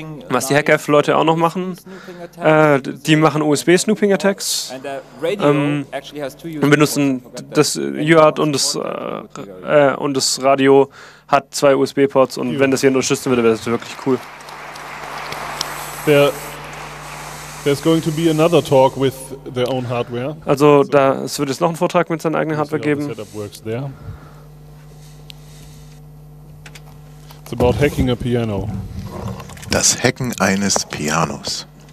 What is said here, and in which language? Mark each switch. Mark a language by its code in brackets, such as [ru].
[de] Was die HackerF-Leute auch noch machen, die machen USB-Snooping-Attacks und benutzen das UART und das Radio hat 2 USB-Ports und wenn das hier unterstützen würde, wäre das wirklich cool. [en] There's going to be another talk with their own hardware. [de] Also da es wird jetzt noch einen Vortrag mit seiner eigenen Hardware geben. [en] It's about hacking a piano. [de] Das Hacken eines Pianos.